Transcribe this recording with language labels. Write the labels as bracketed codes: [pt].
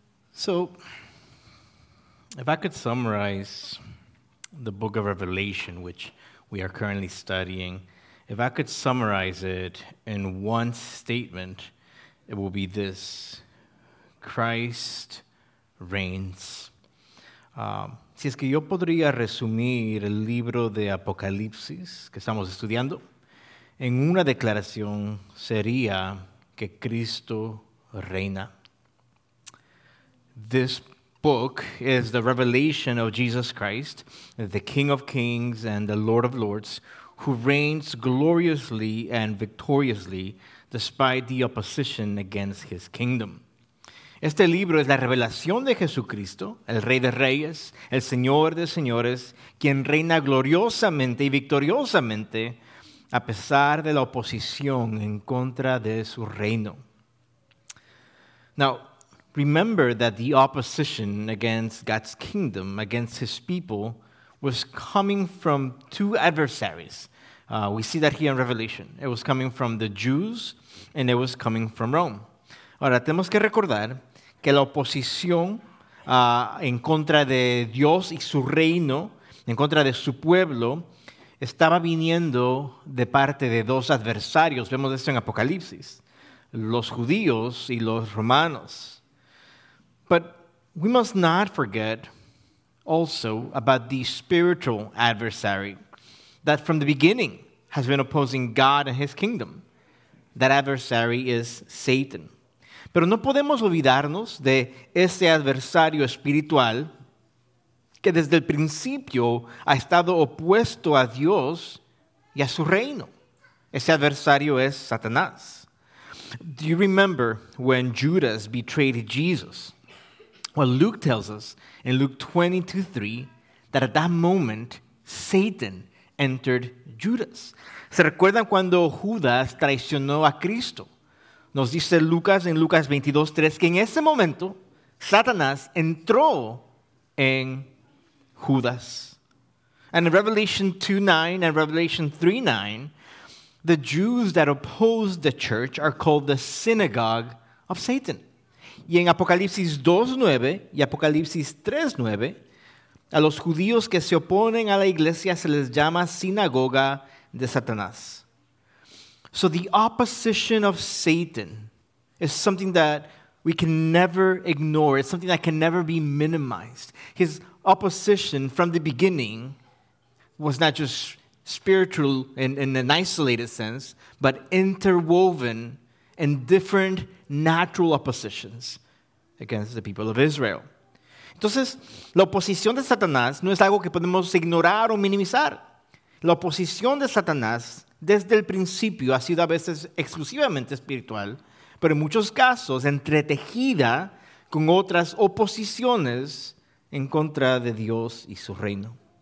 [en] So, if I could summarize the book of Revelation, which we are currently studying, if I could summarize it in one statement, it will be this: Christ reigns. [es] Si es que yo podría resumir el libro de Apocalipsis que estamos estudiando, en una declaración sería que Cristo reina. [en] This book is the revelation of Jesus Christ, the King of Kings and the Lord of Lords, who reigns gloriously and victoriously despite the opposition against his kingdom. [es] Este libro es la revelación de Jesucristo, el Rey de Reyes, el Señor de Señores, quien reina gloriosamente y victoriosamente a pesar de la oposición en contra de su reino. [en] Now, remember that the opposition against God's kingdom, against his people, was coming from two adversaries. We see that here in Revelation. It was coming from the Jews, and it was coming from Rome. [es] Ahora, tenemos que recordar que la oposición en contra de Dios y su reino, en contra de su pueblo, estaba viniendo de parte de dos adversarios. Vemos esto en Apocalipsis: los judíos y los romanos. [en] But we must not forget also about the spiritual adversary that from the beginning has been opposing God and his kingdom. That adversary is Satan. [es] Pero no podemos olvidarnos de ese adversario espiritual que desde el principio ha estado opuesto a Dios y a su reino. Ese adversario es Satanás. [en] Do you remember when Judas betrayed Jesus? Well, Luke tells us in Luke 22:3 that at that moment, Satan entered Judas. [es] ¿Se recuerdan cuando Judas traicionó a Cristo? Nos dice Lucas en Lucas 22:3 que en ese momento, Satanás entró en Judas. [en] And in Revelation 2:9 and Revelation 3:9, the Jews that oppose the church are called the synagogue of Satan. [es] Y en Apocalipsis 2:9 y Apocalipsis 3:9, a los judíos que se oponen a la iglesia se les llama sinagoga de Satanás. [en] So the opposition of Satan is something that we can never ignore. It's something that can never be minimized. His opposition from the beginning was not just spiritual in an isolated sense, but interwoven in different natural oppositions against the people of Israel. [es] Entonces, la oposición de Satanás no es algo que podemos ignorar o minimizar. La oposición de Satanás desde el principio ha sido a veces exclusivamente espiritual, pero en muchos casos entretejida con otras oposiciones en contra de Dios y su reino.